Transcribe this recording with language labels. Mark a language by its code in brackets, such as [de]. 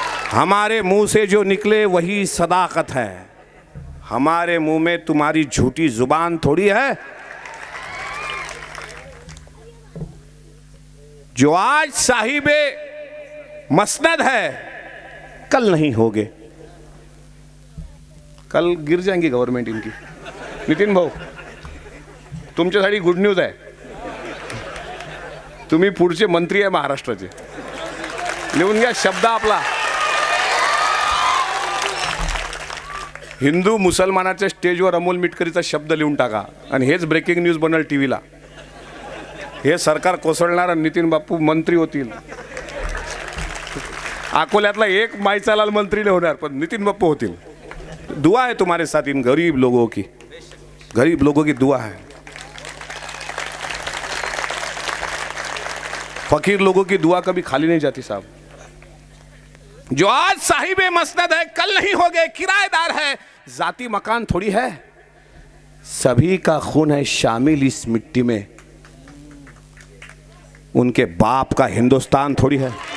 [hi] हमारे मुंह से जो निकले वही सदाकत है, हमारे मुंह में तुम्हारी झूठी जुबान थोड़ी है। जो आज साहिबे मसनद है कल नहीं होगे, कल गिर जाएंगी गवर्नमेंट इनकी। [mr] नितिन भाऊ तुमच्या साठी गुड न्यूज आहे, तुम्ही पुढचे मंत्री आहे महाराष्ट्राचे, लिहून घ्या शब्द आपला। हिंदू मुसलमानाच्या स्टेजवर अमोल मिटकरीचा शब्द लिहून टाका आणि हेच ब्रेकिंग न्यूज बनल टीव्हीला, हे सरकार कोसळणार, नितीन बापू मंत्री होतील, अकोल्यातला एक माईचालाल मंत्री नाही होणार पण नितीन बापू होतील। [hi] दुआ आहे तुम्हारे साथ इन गरीब लोगों की, गरीब लोगों की दुआ है, फकीर लोगों की दुआ कभी खाली नहीं जाती साहब। जो आज साहिबे मसनद है कल नहीं हो गए, किराएदार है, जाती मकान थोड़ी है, सभी का खून है शामिल इस मिट्टी में, उनके बाप का हिंदुस्तान थोड़ी है।